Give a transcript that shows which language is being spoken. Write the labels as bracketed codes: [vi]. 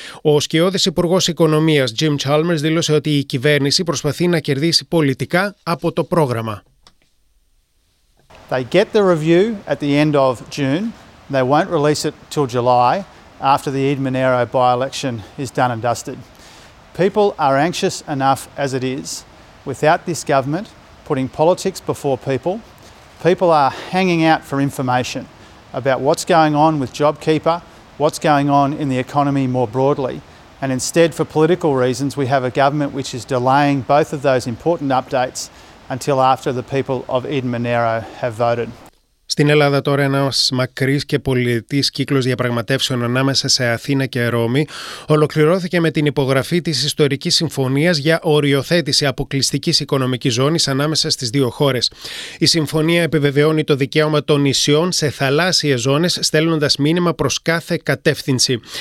[el] Ο σκιώδης υπουργός οικονομίας Jim Chalmers δήλωσε ότι η κυβέρνηση προσπαθεί να κερδίσει πολύ από το πρόγραμμα. [en] They get the review at the end of June. They won't release it till July after the Endon Monaro by-election is done and dusted. People are anxious enough as it is without this government putting politics before people. People are hanging out for information about what's going on with JobKeeper, what's going on in the economy more broadly. And instead, for political reasons, we have a government which is delaying both of those important updates until after the people of Endon Monaro have voted. [el] Στην Ελλάδα τώρα ένας μακρύς και πολιτής κύκλος διαπραγματεύσεων ανάμεσα σε Αθήνα και Ρώμη ολοκληρώθηκε με την υπογραφή της ιστορικής συμφωνίας για οριοθέτηση αποκλειστικής οικονομικής ζώνης ανάμεσα στις δύο χώρες. Η συμφωνία επιβεβαιώνει το δικαίωμα των νησιών σε θαλάσσιες ζώνες στέλνοντας μήνυμα προς κάθε κατεύθυνση.